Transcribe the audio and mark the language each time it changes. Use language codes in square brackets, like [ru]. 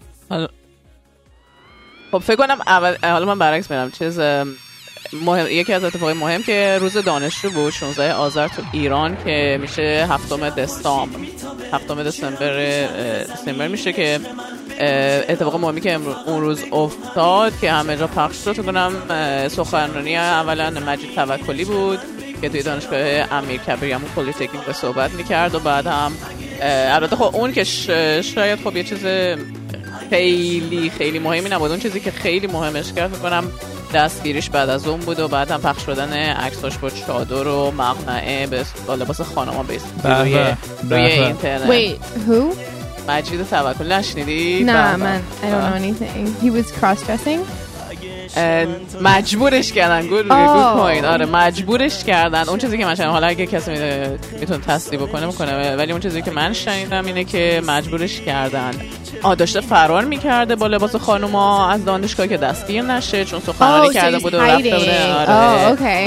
[fa] حالا خب فکر کنم اول، حالا من برعکس میرم، چیز مهم، یکی از اتفاقی مهم که روز دانشجو بود 16 آذر تو ایران که میشه 7 دسامبر دسامبر میشه، که اتفاق مهمی که اون روز افتاد که همه جا پخش شد، کنم سخنرانی اولا مجید توکلی بود که توی دانشگاه امیرکبیر یا همون پولیتکنیک به صحبت میکرد، و بعد هم البته خب اون که شاید خب یه چیز خیلی خیلی مهمی نبود، اون چیزی که خیلی مهمش کرد میکنم دستگیریش بعد از اون بود، و بعد هم پخش شدن عکساش با چادر و مقنعه به لباس خانما بیست روی اینترنت. [en] Wait, who? [fa] مجید توکل. نشنیدی؟ نه من [en] I don't know anything. He was cross-dressing. [fa] مجبورش کردن. [en] Good point. [fa] آره مجبورش کردن. اون چیزی که من شنیدم، حالا اگه کسی میتونه تصدیق بکنه میکنه، ولی اون چیزی که من شنیدم اینه که مجبورش کردن داشته فرار میکرده با لباس خانوما از دانشگاه که دستگیر نشه چون سخنرانی کرده بود و رفته بوده.